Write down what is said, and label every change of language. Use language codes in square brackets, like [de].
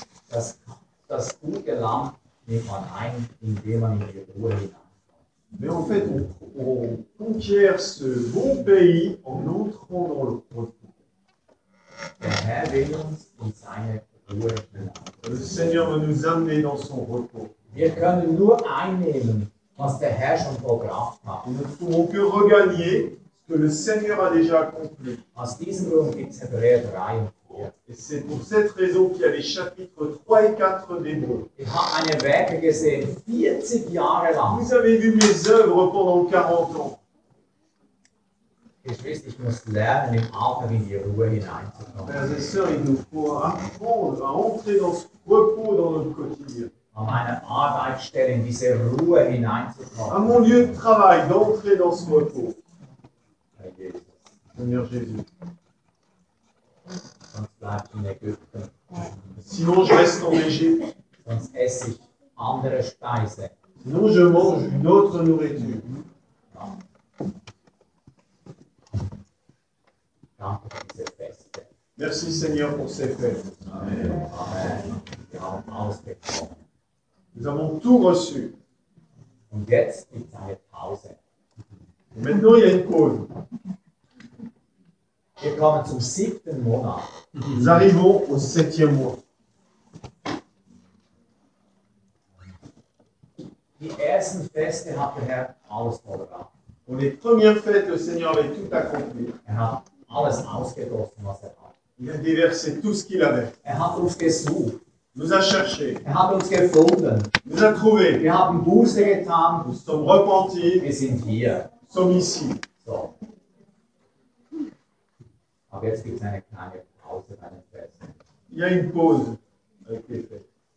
[de] Das gute Land nimmt man ein, indem man in die Ruhe hineinkommt. [fr] Mais en fait, on conquiert ce bon pays en entrant dans le repos. [de] Der Herr will uns in seine Ruhe hineinkommen. [fr] Le Seigneur veut nous amener dans son repos. [de] Wir können nur einnehmen, was der Herr schon vorgebracht hat. [fr] Nous ne pouvons que regagner que le Seigneur a déjà accompli. [de] Aus diesem Grund gibt's Hebräer 3 und 4. [fr] Et c'est pour cette raison qu'il y a les chapitres 3 et 4 d'Hébreux. [de] Ich habe meine Werke gesehen, 40 Jahre lang. [fr] Vous avez vu mes œuvres pendant 40 ans. [de] Geschwister, ich muss lernen, im Alter in die Ruhe hineinzukommen. [fr] Frères et sœurs, il nous faut apprendre à entrer dans ce repos dans notre quotidien. [de] An meine Arbeitsstelle, in diese Ruhe hineinzukommen. [fr] À mon lieu de travail, d'entrer dans ce repos. Seigneur Jésus. [de] Sonst bleibe ich in Ägypten. [fr] Sinon, je reste en Égypte. [de] Sonst esse ich andere Speise. [fr] Sinon, je mange une autre nourriture. [de] Danke. [fr] Merci Seigneur pour ces fêtes. Amen. Amen. Nous avons tout reçu. [de] Und jetzt gibt es eine Pause. [fr] Et maintenant, il y a une pause. [de] Wir kommen zum siebten Monat. [fr] Nous arrivons au septième mois. [de] Die ersten Feste hat der Herr alles vorbereitet. Und [fr] les premières fêtes, le Seigneur avait tout accompli. [de] Er hat alles ausgedossen, was er hat. [fr] Il a déversé tout ce qu'il avait. [de] Er hat uns gesucht. [fr] Nous a cherché. [de] Er hat uns gefunden. [fr] Nous a trouvé. [de] Wir haben Buße getan. [fr] Nous sommes repentis. [de] Wir sind hier. [fr] Nous sommes ici. [de] So. Aber jetzt gibt es eine kleine Pause bei den Festen. [fr] Il y a une pause avec les fêtes.